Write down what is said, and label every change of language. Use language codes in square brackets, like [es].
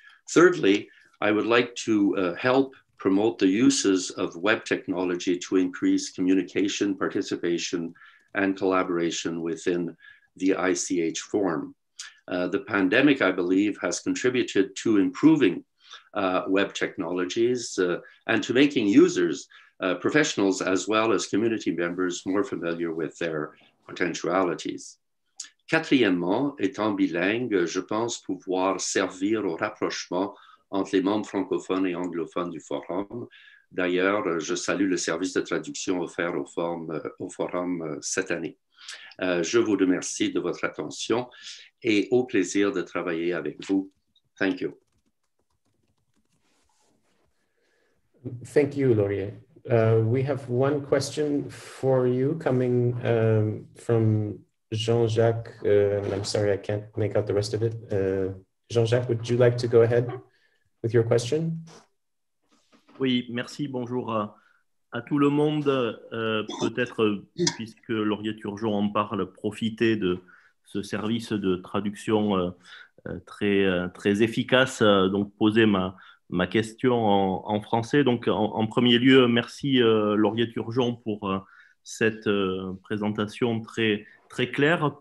[en] Thirdly, I would like to help promote the uses of web technology to increase communication, participation, and collaboration within the ICH Forum. The pandemic, I believe, has contributed to improving web technologies and to making users, professionals, as well as community members more familiar with their potentialities. [fr] Quatrièmement, étant bilingue, je pense pouvoir servir au rapprochement entre les membres francophones et anglophones du forum. D'ailleurs, je salue le service de traduction offert au forum cette année. Je vous remercie de votre attention et au plaisir de travailler avec vous. [en] Thank you. Thank you, Laurier. We have one question for you coming from Jean-Jacques. I'm sorry, I can't make out the rest of it. Jean-Jacques, would you like to go ahead with your question? [fr] Oui, merci, bonjour à tout le monde. Peut-être, puisque Laurier Turgeon en parle, profiter de ce service de traduction très, très efficace, donc poser ma question en français. Donc, en premier lieu, merci Laurier Turgeon pour cette présentation très, très claire.